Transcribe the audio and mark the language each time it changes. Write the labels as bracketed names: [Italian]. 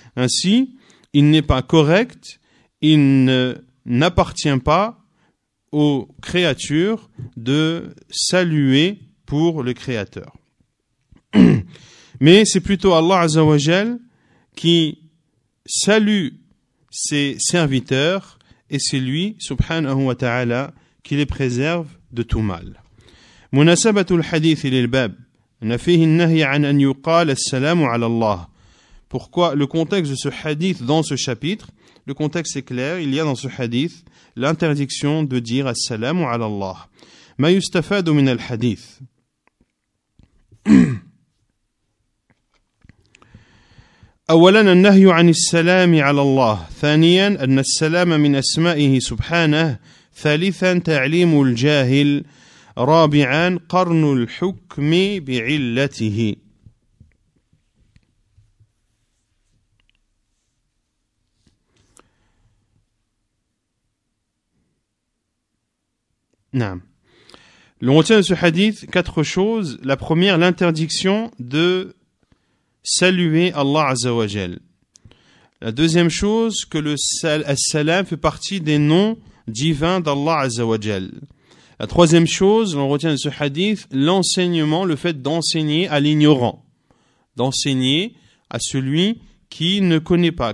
[French] Ainsi, il n'est pas correct, il n'appartient pas aux créatures de saluer pour le Créateur. Mais c'est plutôt Allah Azzawajal qui salue ses serviteurs et c'est lui, subhanahu wa ta'ala, qui les préserve de tout mal. [Arabic] مناسبة الحديث للباب أن فيه النهي عن أن يقال السلام على الله. [French] Pourquoi le contexte de ce hadith dans ce chapitre? Le contexte est clair, il y a dans ce hadith l'interdiction de dire [Arabic] assalamu ala Allah. Ma yustafadu min al-hadith. أولا النهي عن السلام على الله ثانيا أن السلام من أسمائه سبحانه ثالثا تعليم الجاهل رابعا قرن الحكم بعلته نعم لو نتعلم في الحديث [French] 4 choses la première l'interdiction de saluer Allah Azzawajal. La deuxième chose, que le salam fait partie des noms divins d'Allah Azzawajal. La troisième chose, on retient de ce hadith, l'enseignement, le fait d'enseigner à l'ignorant. D'enseigner à celui qui ne connaît pas.